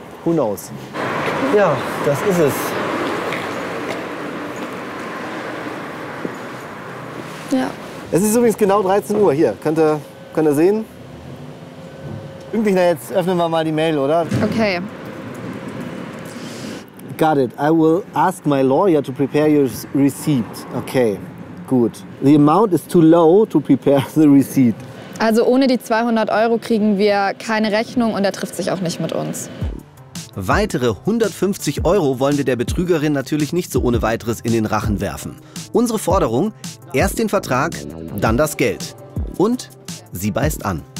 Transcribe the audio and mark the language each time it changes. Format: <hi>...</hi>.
<en>Who knows?</en> <de>Ja, das ist es. Ja. Es ist übrigens genau 13 Uhr hier. Könnt ihr sehen? Irgendwie, jetzt öffnen wir mal die Mail, oder? Okay.</de> <en>Got it. I will ask my lawyer to prepare your receipt.</en> <de>Okay, gut.</de> <en>The amount is too low to prepare the receipt.</en> <de>Also ohne die 200 Euro kriegen wir keine Rechnung und er trifft sich auch nicht mit uns. Weitere 150 Euro wollen wir der Betrügerin natürlich nicht so ohne weiteres in den Rachen werfen. Unsere Forderung, erst den Vertrag, dann das Geld. Und sie beißt an.</de>